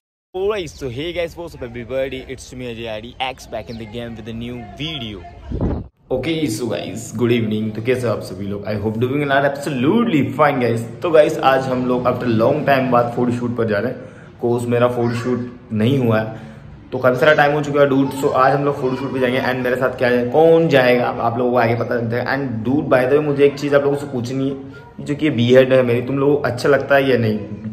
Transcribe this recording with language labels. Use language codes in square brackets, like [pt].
[en] Alright, so hey guys, what's up everybody, it's me Ajay Ari, X back in the game with a new video. Okay, so guys, good evening, [hi] तो कैसे हो आप सभी लोग? [en] I hope doing a lot, absolutely fine guys. [hi] तो guys, आज हम लोग [en] after long time [hi] बाद photo shoot पर जा रहे हैं, cause मेरा photo shoot नहीं हुआ है, तो काफी सारा time हो चुका है dude, so आज हम लोग photo shoot पर जाएंगे, and मेरे साथ क्या जाएगा, कौन जाएगा, आप लोगों को आगे पता चलता है, and [en] dude, by the way, [hi] मुझे एक चीज़ आप लोगों से पूछनी है, जो कि ये beard है मेरी, तुम लोगों को अच्छा लगता है या नहीं?